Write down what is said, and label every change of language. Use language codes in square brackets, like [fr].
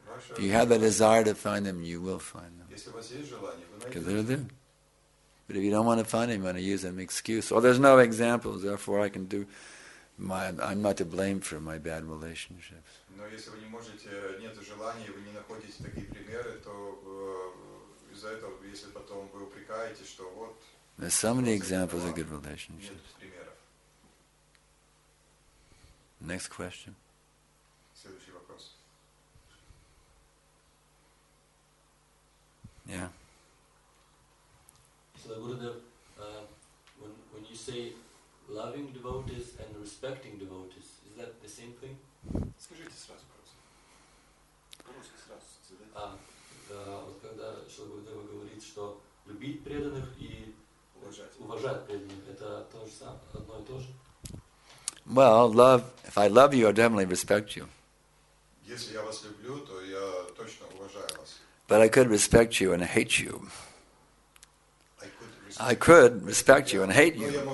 [en] If you have a desire to find them, you will find them. Because they're there. But if you don't want to find him, you want to use an excuse. Well, there's no examples, therefore I can do my, I'm not to blame for my bad relationships. [ru] Но если вы не можете, нет желания, вы не находите такие примеры, то из-за этого, если потом вы упрекаете, что вот... [en] There's so many examples of good relationships. Next question. [ru] Следующий вопрос. Yeah. [en] So, Gurudev, when you say loving devotees and respecting devotees, is that the same thing? [ru] Скажите сразу, пожалуйста. Вот когда Гурудев говорит, что любить преданных и уважать преданных, это то же самое, одно и то же? [en] Well, love, if I love you, I definitely respect you. [ru] Если я вас люблю, то я точно уважаю вас. [en] But I could respect you and hate you. I could respect you and hate you.